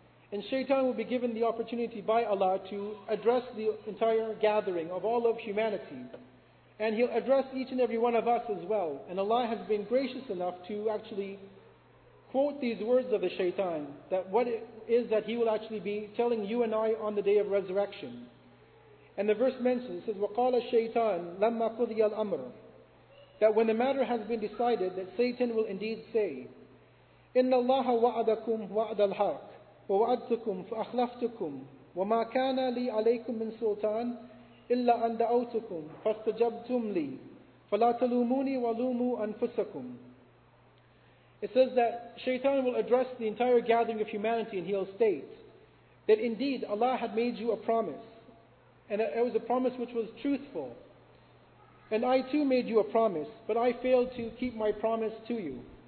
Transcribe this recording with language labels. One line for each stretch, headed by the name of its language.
English: And shaitan will be given the opportunity by Allah to address the entire gathering of all of humanity. And he'll address each and every one of us as well. And Allah has been gracious enough to actually quote these words of the shaitan, that what it is that he will actually be telling you and I on the day of resurrection. And the verse mentions, it says,
Arabic: وَقَالَ الشَّيْطَانِ لَمَّا قُضِيَ الْأَمْرُ,
English: that when the matter has been decided, that Satan will indeed say,
Arabic: إِنَّ اللَّهَ وَعَدَكُمْ وَعَدَ الْحَقِّ وَوَعَدْتُكُمْ فَأَخْلَفْتُكُمْ وَمَا كَانَ لِي عَلَيْكُمْ مِنْ سُلْطَانِ إِلَّا أَنْ دَعَوْتُكُمْ فَاسْتَجَبْتُمْ لِي فَلَا تَلُومُونِي وَلُومُوا أَنفُسَكُمْ.
English: It says that Shaitan will address the entire gathering of humanity, and he'll state that indeed Allah had made you a promise. And it was a promise which was truthful. And I too made you a promise, but I failed to keep my promise to you.